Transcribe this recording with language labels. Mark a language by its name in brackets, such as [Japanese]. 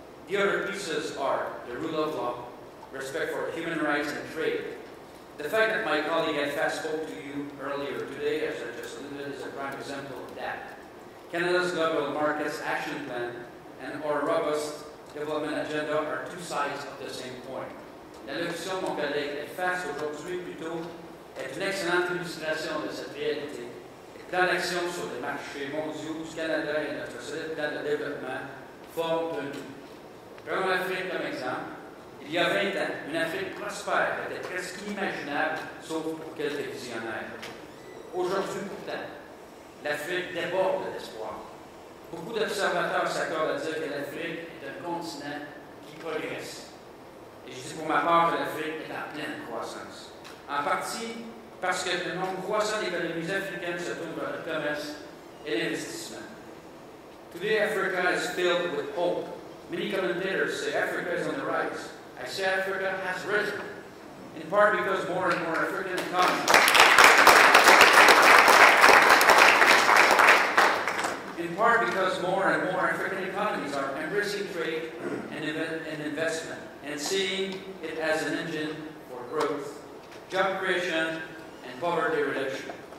[English] The other pieces are the rule of law, respect for human rights and trade. The fact that my colleague had fast spoke to you earlier today, as I just alluded, is a prime example of that. Canada's Global Markets Action Plan and our robust development agenda are two sides of the same coin. [French] La discussion, mon collègue, est face aujourd'hui plutôt est une excellente illustration de cette réalité. Les plans d'action sur les marchés mondiaux du Canada et notre solide plan de développement forment un tout. Prenons l'Afrique comme exemple. Il y a 20 ans, une Afrique prospère était presque inimaginable, sauf pour quelques visionnaires. Aujourd'hui, pourtant, l'Afrique déborde d'espoir. Beaucoup d'observateurs s'accordent à dire que l'Afrique est un continent qui progresse. Et je dis pour ma part que l'Afrique est en pleine croissance. En partie parce que le nombre croissant d'économies africaines se tourne vers le commerce et l'investissement. [English] Today, Africa is filled with hope. Many commentators say Africa is on the rise. I say Africa has risen, in part because more and more African economies. In part because more and more African economies are embracing trade and investment, and seeing it as an engine for growth, job creation, and poverty reduction.